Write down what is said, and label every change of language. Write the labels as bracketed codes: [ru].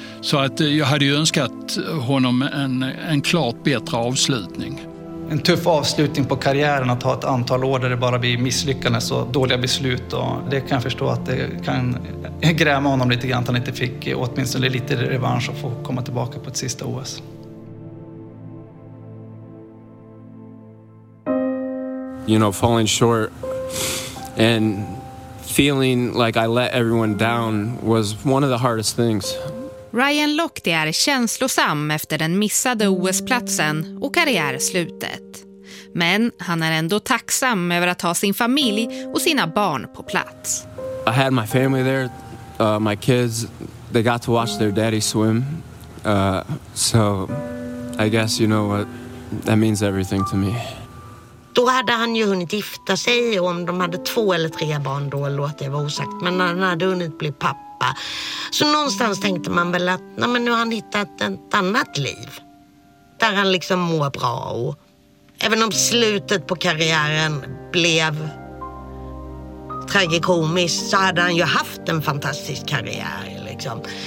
[sv] Så att jag hade ju önskat honom en klart bättre avslutning. En tuff avslutning på karriären att ha ett antal år där det bara blir misslyckande så dåliga beslut. Och det kan jag förstå att det kan gräma honom lite grann att han inte fick åtminstone lite revansch och få komma tillbaka på ett sista OS. [en] You know, falling short and feeling like I let everyone down was one of the hardest things. [sv] Ryan Lochte är känslosam efter den missade OS-platsen och karriärslutet. Men han är ändå tacksam över att ha sin familj och sina barn på plats. [en] I had my family there, my kids, they got to watch their daddy swim. So I guess you know what, that means everything to me. [sv] Då hade han ju hunnit gifta sig, och om de hade två eller tre barn då låter jag vara osagt. Men han hade hunnit bli pappa. Så någonstans tänkte man väl att nej, men nu har han hittat ett annat liv. Där han liksom mår bra. Och även om slutet på karriären blev tragikomiskt så hade han ju haft en fantastisk karriär. Liksom.